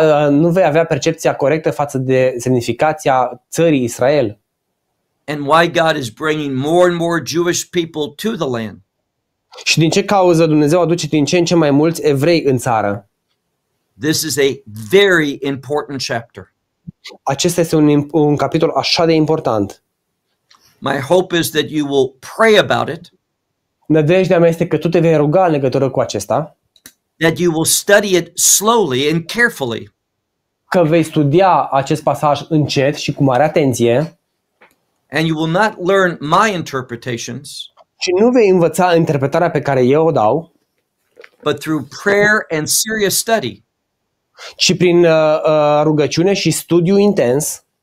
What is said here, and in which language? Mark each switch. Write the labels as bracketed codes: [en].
[ro] Nu vei avea percepția corectă față de semnificația țării Israel. [en] And why God is bringing more and more Jewish people to the land. [ro] Și din ce cauză Dumnezeu aduce din ce în ce mai mulți evrei în țară. [en] This is a very important chapter. [ro] Acesta este un capitol așa de important. [en] My hope is that you will pray about it. [ro] Nădejdea mea este că tu te vei ruga în legătură cu acesta. [en] that you will study it slowly and carefully. [ro] Că vei studia acest pasaj încet și cu mare atenție. [en] And you will not learn my interpretations. [ro] Și nu vei învăța interpretarea pe care eu o dau. [en] But through prayer and serious study. [ro] Și prin rugăciune și studiu intens.